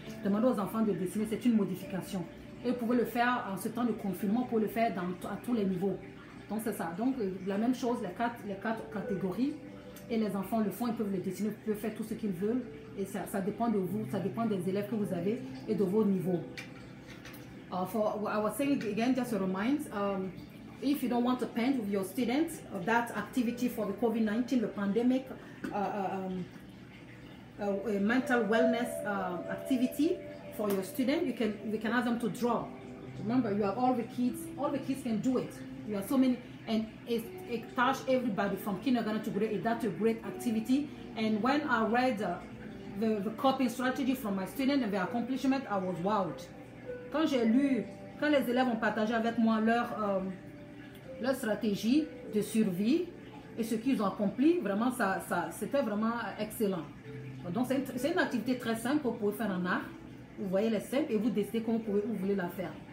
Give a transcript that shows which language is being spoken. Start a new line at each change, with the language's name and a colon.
French: Demandez aux enfants de dessiner, c'est une modification. Et vous pouvez le faire en ce temps de confinement, vous pouvez le faire à tous les niveaux. Donc c'est ça. Donc la même chose, les quatre catégories. Et les enfants le font, ils peuvent le dessiner, ils peuvent faire tout ce qu'ils veulent. Et ça dépend de vous, ça dépend des élèves que vous avez et de vos niveaux.
English: For what I was saying again, just a reminder, if you don't want to paint with your students, that activity for the COVID-19, the pandemic, a mental wellness activity for your student, we can ask them to draw. Remember, you have all the kids can do it. You have so many, and it touched everybody from kindergarten to grade. That's a great activity. And when I read the coping strategy from my student and the accomplishment, I was wowed.
French: Quand j'ai lu, quand les élèves ont partagé avec moi leur stratégie de survie et ce qu'ils ont accompli, vraiment, ça c'était vraiment excellent. Donc, c'est une activité très simple pour pouvoir faire un art. Vous voyez, les simples et vous décidez comment vous voulez la faire.